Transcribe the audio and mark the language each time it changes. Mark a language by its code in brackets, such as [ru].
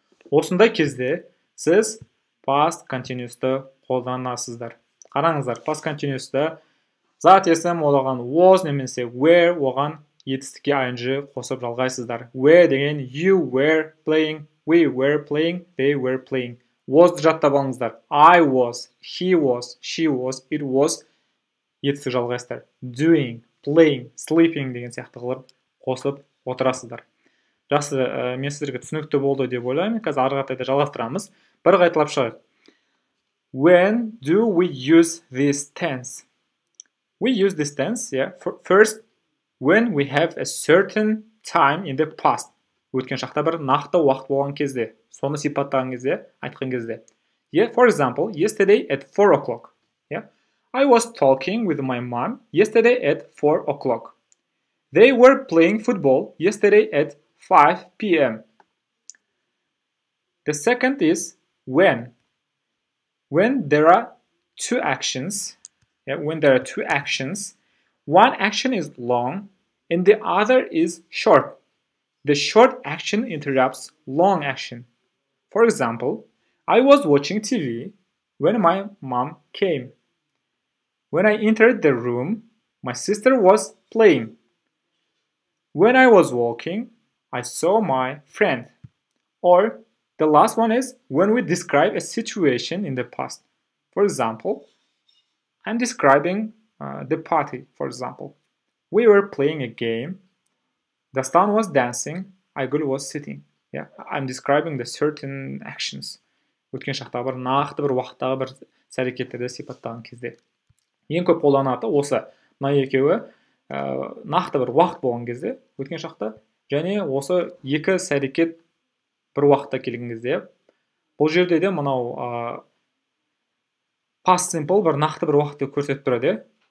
[kk] Осындай кезде, сіз past continuous-ты қолданасыздар. Қараңыздар, past continuous-ты зат есім олаған was немесе where оған етістікке ing қосып жалғайсыздар. [en] Where деген you were playing, we were playing, they were playing. [kk] Was жаттап алыңыздар. [en] I was, he was, she was, it was [kk] етістік жалғайсыздар. Doing, playing, sleeping деген сияқты қылып қосып отырасыздар. Жақсы, мен сіздерге түсінікті болды деп ойлаймын. Қазір ары қарай да жалғастырамыз. Бір қайталап шығайық. [en] When do we use this tense? We use this tense, first, when we have a certain time in the past. [kk] Өткен шақта бір нақты уақыт болған кезде, соны сипаттаған кезде, айтқан кезде. [en] For example, yesterday at 4 o'clock. I was talking with my mom yesterday at 4 o'clock. They were playing football yesterday at 5 p.m. The second is when. When there are two actions, yeah, when there are two actions, one action is long and the other is short. The short action interrupts long action. For example, I was watching TV when my mom came. When I entered the room, my sister was playing. When I was walking, I saw my friend. Or the last one is when we describe a situation in the past. For example, I'm describing the party, for example. We were playing a game. Dastan was dancing. Айгүл was sitting. Yeah, I'm describing the certain actions. [kk] Өткен шақтағы бір, нақты бір, уақыттағы бір сәрекеттерді сипаттаған кезде. Ең көп қолданылатыны осы. Мына екеуі нақты бір уақыт болған кезде, өткен шақта, және осы екі сәрекет бір уақытта келген кезде. Бұл жерде де мынау past simple бір нақты бір уақытты көрсетіп тұрады.